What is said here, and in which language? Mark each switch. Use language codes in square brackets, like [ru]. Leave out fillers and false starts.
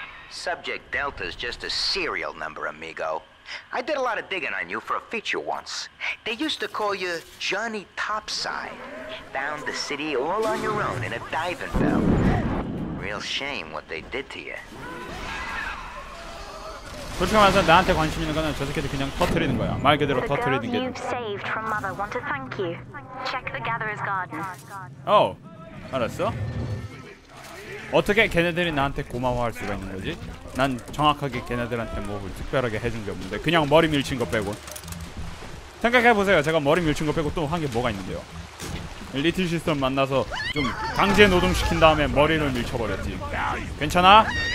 [en] Subject Delta is just a serial number, amigo. I did a lot of digging on you for a feature once. They used to call you Johnny Topside. Found the city all on your own in a diving bell. Real shame what they did to you. [ko] 솔직히 말해서 나한테 관심 있는 거는 저 새끼들 그냥 터트리는 거야. 말 그대로 터트리는 게. [en] The girls you've saved from Mother want to thank you. Check the gatherer's garden. [ko] 어, 알았어? 어떻게 걔네들이 나한테 고마워할 수가 있는 거지? 난 정확하게 걔네들한테 뭐 특별하게 해준 게 없는데 그냥 머리 밀친 거 빼고 생각해보세요. 제가 머리 밀친 거 빼고 또 한 게 뭐가 있는데요. 리틀 시스터 만나서 좀 강제 노동시킨 다음에 머리를 밀쳐버렸지. 괜찮아?